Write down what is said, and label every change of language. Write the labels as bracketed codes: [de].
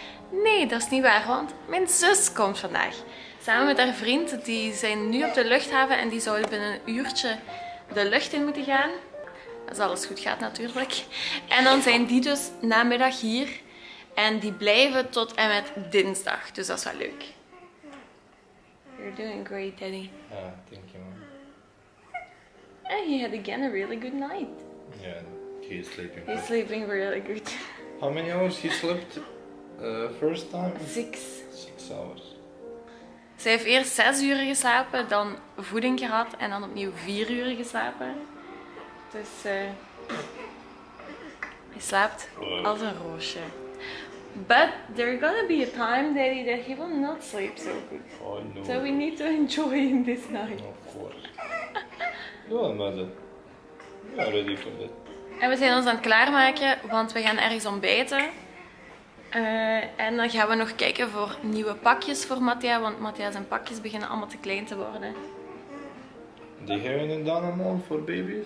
[nl] Nee, dat is niet waar, want mijn zus komt vandaag. Samen met haar vriend, die zijn nu op de luchthaven en die zouden binnen een uurtje de lucht in moeten gaan. Als alles goed gaat natuurlijk. En dan zijn die dus namiddag hier en die blijven tot en met dinsdag. Dus dat is wel leuk. [en] You're doing great, Daddy. Thank you, man. And he had again a really good night. Yeah, he's sleeping. He's sleeping really good. How many hours he slept first time? Six. 6 hours. [nl] Zij heeft eerst 6 uur geslapen, dan voeding gehad en dan opnieuw 4 uur geslapen. Dus hij slaapt als een roosje. [en] But there's gonna be a time, Daddy, that he will not sleep so good. Oh no. So we need to enjoy him this night. Of course. Go on, mother. We are ready for that. [nl] En we zijn ons aan het klaarmaken, want we gaan ergens ontbijten. En dan gaan we nog kijken voor nieuwe pakjes voor Mattia, want Mattia zijn pakjes beginnen allemaal te klein te worden. Die hebben een Danamon voor baby's?